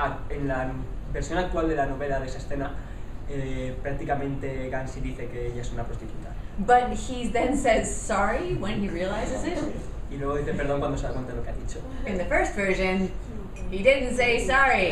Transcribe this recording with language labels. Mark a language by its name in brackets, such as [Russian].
[Spanish] en la versión actual de la novela de esa escena, prácticamente Gansi dice que ella es una prostituta. [English] But he then says sorry when he realizes it. [Spanish] Y luego dice perdón cuando se da cuenta de lo que ha dicho. [English] In the first version, he didn't say sorry.